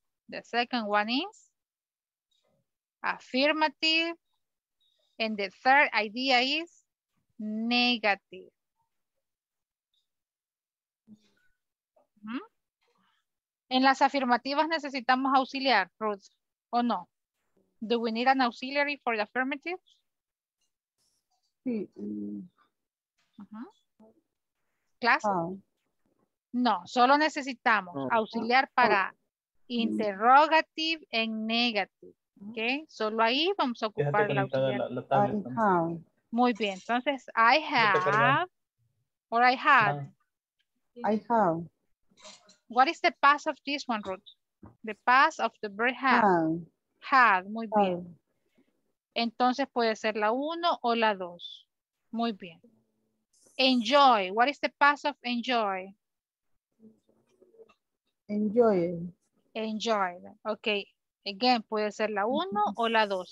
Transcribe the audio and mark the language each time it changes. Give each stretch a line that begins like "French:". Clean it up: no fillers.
English: The second one is affirmative. And the third idea is negative.
Spanish: En las afirmativas necesitamos auxiliar, Ruth, ¿o no?
English: Do we need an auxiliary for the affirmatives?
Spanish: Sí. ¿Clase? No, solo necesitamos auxiliar para
English: interrogative and negative.
Spanish: ¿Ok? Solo ahí vamos a ocupar la auxiliar. Muy bien, entonces,
English: I have or I had. I have. What is the past of this one, Ruth? The past of the verb had.
Spanish: Muy bien. Entonces puede ser la uno o la dos. Muy bien.
English: Enjoy. What is the past of enjoy? Enjoy. Enjoy. Ok. Again,
Spanish: puede ser la uno o la dos.